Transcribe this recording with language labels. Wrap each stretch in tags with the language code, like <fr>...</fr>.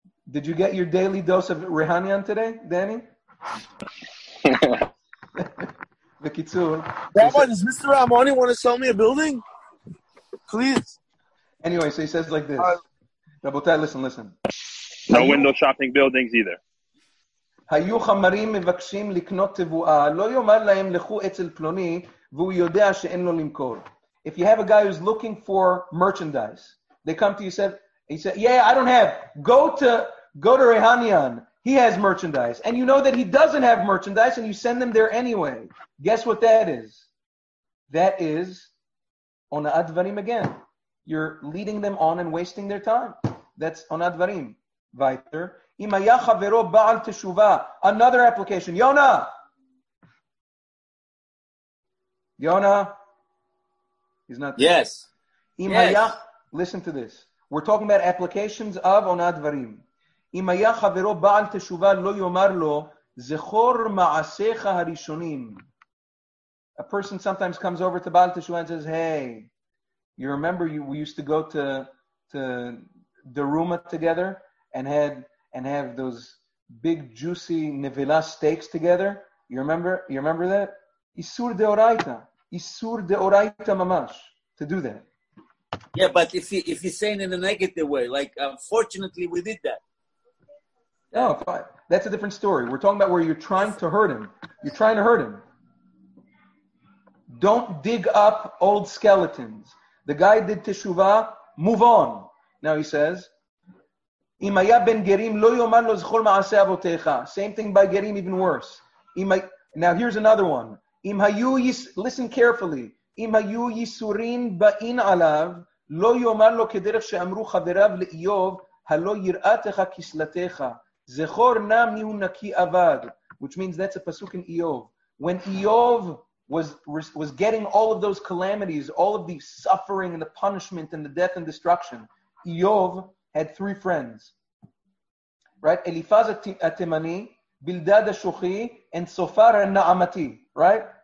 <en>Did you get your daily dose of Rehanyan today, Danny? The Kitsur. Rabbi, does Mr. Rahmani want to sell me a building? Please. Anyway, so he says like this. Rabotai, listen. No window shopping buildings either.</en> <he>היו חמרים מבקשים לקנות תבואה, לא יאמר להם לכו אצל פלוני, והוא יודע שאין לו למכור.</he> <en>If you have a guy who's looking for merchandise, they come to you and say, yeah, I don't have. Go to Rehanyan. He has merchandise. And you know that he doesn't have merchandise, and you send them there anyway. Guess what that is? That is on Advarim again. You're leading them on and wasting their time. That's on Advarim. Vayter.</en> <he>אם היה חברו בעל תשובה,</he> <en>another application. Yona? He's not there. Yes.</en> <he>אם היה,</he> <en>yes. Listen to this. We're talking about applications of</en> <he>עונה דברים. אם היה חברו בעל תשובה, לא יאמר לו, זכור מעשיך הראשונים.</he> <en>A person sometimes comes over to בעל תשובה and says, hey, you remember we used to go to the Ruma together and have those big juicy nevela steaks together. You remember that? Isur deoraita. Isur deoraita mamash. To do that. Yeah, but if he's saying in a negative way, like, unfortunately we did that. No, fine. That's a different story. We're talking about where you're trying to hurt him. You're trying to hurt him. Don't dig up old skeletons. The guy did teshuvah, move on. Now he says,</en> <he>אם היה בן גרים, לא יאמר לו זכור מעשה אבותיך.</he> <en>Same thing by גרים, even worse. Now here's another one.</en> <he>אם היו,</he> <en>listen carefully.</en> <he>אם היו ייסורים באין עליו, לא יאמר לו כדרך שאמרו חבריו לאיוב, הלא יראתך כסלתך. זכור נא מיהו נקי עבד.</he> <en>Which means that's a pasuk in Eov. When Eov was getting all of those calamities, all of the suffering and the punishment and the death and destruction, Eov had three friends, right? Eliphaz Atemani, Bildad Ashuchi, and Sofar Naamati, right?</en>